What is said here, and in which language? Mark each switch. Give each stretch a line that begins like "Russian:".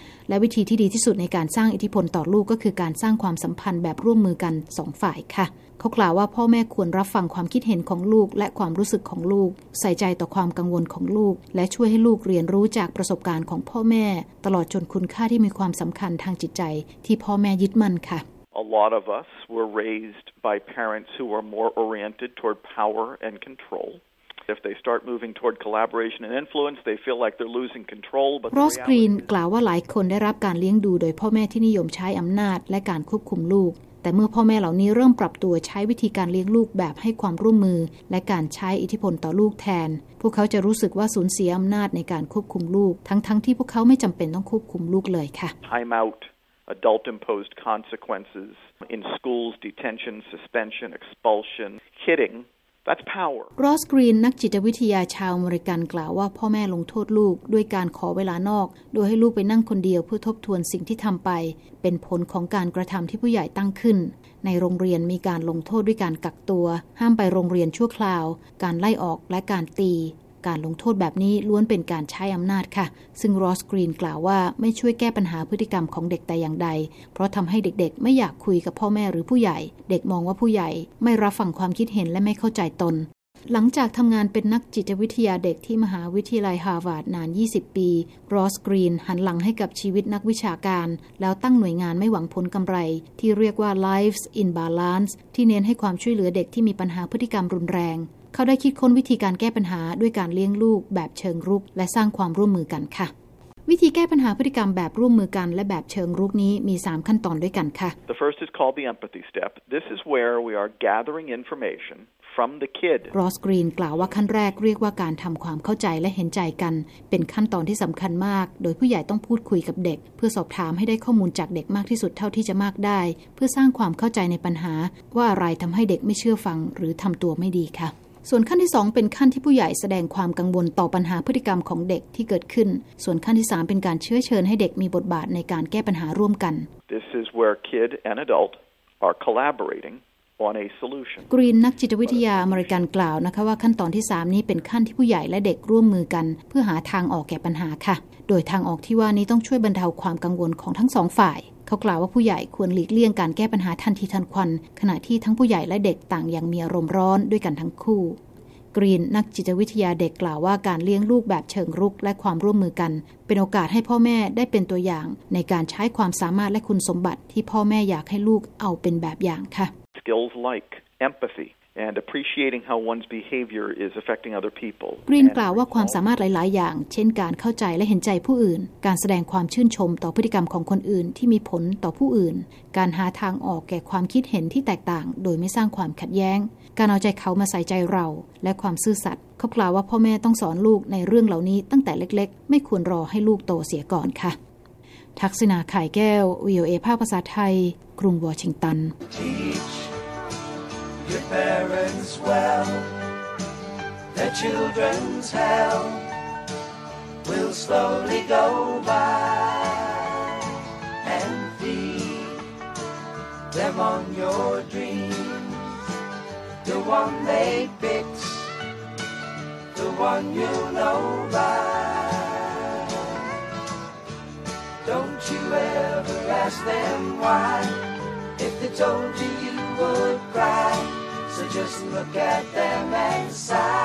Thai: และวิธีที่ดีที่สุดในการสร้างอิทธิพลต่อลูกก็คือการสร้างความสัมพันธ์แบบร่วมมือกัน2ฝ่ายค่ะเขากล่าวว่าพ่อแม่ควรรับฟังความคิดเห็นของลูกและความรู้สึกของลูกใส่ใจต่อความกังวลของลูกและช่วยให้ลูกเรียนรู้จากประสบการณ์ของพ่อแม่ตลอดจนคุณค่าที่มีความสำคัญทางจิตใจที่พ่อแม่ยึดมั่นค่ะ
English: A lot of us were raised by parents who were more oriented toward power and control. If they start moving toward collaboration and influence, they feel like they're losing control. But
Thai: Rose Green กล่าวว่าหลายคนได้รับการเลี้ยงดูโดยพ่อแม่ที่นิยมใช้อำนาจและการควบคุมลูกแต่เมื่อพ่อแม่เหล่านี้เริ่มปรับตัวใช้วิธีการเลี้ยงลูกแบบให้ความร่วมมือและการใช้อิทธิพลต่อลูกแทนพวกเขาจะรู้สึกว่าสูญเสียอำนาจในการควบคุมลูกทั้งที่พวกเขาไม่จำเป็นต้องควบคุมลูกเลยค่ะ
English: Time out, adult imposed consequences in schools, detention, suspension, expulsion, kidding. That's power.
Thai: Ross Green นักจิตวิทยาชาวอเมริกันกล่าวว่าพ่อแม่ลงโทษลูกด้วยการขอเวลานอกโดยให้ลูกไปนั่งคนเดียวเพื่อทบทวนสิ่งที่ทำไปเป็นผลของการกระทำที่ผู้ใหญ่ตั้งขึ้นในโรงเรียนมีการลงโทษด้วยการกักตัวห้ามไปโรงเรียนชั่วคราวการไล่ออกและการตี การลงโทษแบบนี้ล้วนเป็นการใช้อำนาจค่ะซึ่งรอสกรีนกล่าวว่าไม่ช่วยแก้ปัญหาพฤติกรรมของเด็กแต่อย่างใดเพราะทำให้เด็กๆไม่อยากคุยกับพ่อแม่หรือผู้ใหญ่เด็กมองว่าผู้ใหญ่ไม่รับฟังความคิดเห็นและไม่เข้าใจตน หลังจากทำงานเป็นนักจิตวิทยาเด็กที่มหาวิทยาลัยฮาร์วาร์ดนาน20ปีรอสกรีนหันหลังให้กับชีวิตนักวิชาการแล้วตั้งหน่วยงานไม่หวังผลกำไรที่เรียกว่า Lives in Balance ที่เน้นให้ความช่วยเหลือเด็กที่มีปัญหาพฤติกรรมรุนแรงเขาได้คิดค้นวิธีการแก้ปัญหาด้วยการเลี้ยงลูกแบบเชิงรุกและสร้างความร่วมมือกันค่ะวิธีแก้ปัญหาพฤติกรรมแบบร่วมมือกันและแบบเชิงรุกนี้มี3ขั้นตอนด้วยกันค่ะ
English: The first is called the empathy step. This is where we are gathering information from the kid.
Thai: Ross Green กล่าวว่าขั้นแรกเรียกว่าการทำความเข้าใจและเห็นใจกันเป็นขั้นตอนที่สำคัญมากโดยผู้ใหญ่ต้องพูดคุยกับเด็กเพื่อสอบถามให้ได้ข้อมูลจากเด็กมากที่สุดเท่าที่จะมากได้เพื่อสร้างความเข้าใจในปัญหาว่าอะไรทำให้เด็กไม่เชื่อฟังหรือทำตัวไม่ดีค่ะส่วนขั้นที่2เป็นขั้นที่ผู้ใหญ่แสดงความกังวลต่อปัญหาพฤติกรรมของเด็กที่เกิดขึ้นส่วนขั้นที่3เป็นการเชื้อเชิญให้เด็กมีบทบาทในการแก้ปัญหาร่วมกัน
English: This is where kid and adult are collaborating on a solution.
Thai: กรีนนักจิตวิทยาอเมริกันกล่าวนะคะว่าขั้นตอนที่3นี้เป็นขั้นที่ผู้ใหญ่และเด็กร่วมมือกันเพื่อหาทางออกแก้ปัญหาค่ะโดยทางออกที่ว่านี้ต้องช่วยบรรเทาความกังวลของทั้ง2ฝ่ายเขากล่าวว่าผู้ใหญ่ควรหลีกเลี่ยงการแก้ปัญหาทันทีทันควันขณะที่ทั้งผู้ใหญ่และเด็กต่างยังมีอารมณ์ร้อนด้วยกันทั้งคู่กรีนนักจิตวิทยาเด็กกล่าวว่าการเลี้ยงลูกแบบเชิงรุกและความร่วมมือกันเป็นโอกาสให้พ่อแม่ได้เป็นตัวอย่างในการใช้ความสามารถและคุณสมบัติที่พ่อแม่อยากให้ลูกเอาเป็นแบบอย่างค่ะ
English: Skills like empathyand appreciating how one's behavior is affecting other people.
Thai: กรีนกล่าวว่าความสามารถหลายๆอย่างเช่นการเข้าใจและเห็นใจผู้อื่นการแสดงความชื่นชมต่อพฤติกรรมของคนอื่นที่มีผลต่อผู้อื่น การหาทางออกแก่ความคิดเห็นที่แตกต่างโดยไม่สร้างความขัดแย้ง การเอาใจเขามาใส่ใจเราและความซื่อสัตย์เขากล่าวว่าพ่อแม่ต้องสอนลูกในเรื่องเหล่านี้ตั้งแต่เล็กๆไม่ควรรอให้ลูกโตเสียก่อนค่ะทักษณาขายแก้ว VOA ภาคภาษาไทยกรุงวอชิงตัน
English: Your parents well, their children's hell will slowly go by and feed them on your dreams. The one they pick, the one you know by. Don't you ever ask them why, if they told you you would cry.So just look at them and sigh.